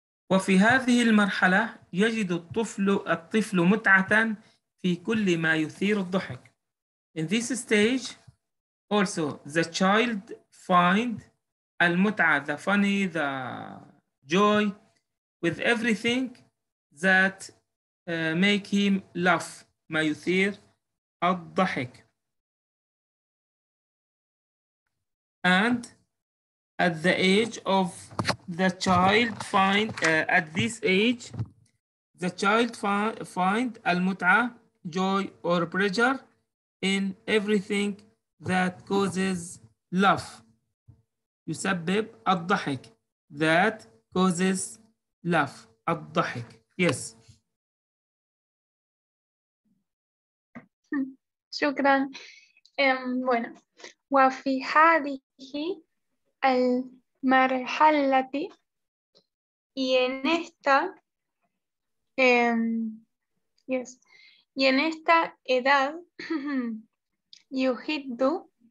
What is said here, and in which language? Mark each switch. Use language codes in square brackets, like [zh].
[ar] وفي هذه المرحلة يجد الطفل متعة في كل ما يثير الضحك. [en] In this stage, also the child find المتعة, the funny, the joy, with everything that make him laugh, [ar] ما يثير الضحك. [en] And at the age of the child find, at this age, the child find المتعة, joy or pleasure in everything that causes laugh. [ar] يسبب الضحك [en] that causes laugh الضحك yes [es] شكرا bueno [ar] وفي هذه المرحلة [es] y en esta [en] yes [es] y en esta edad يحدو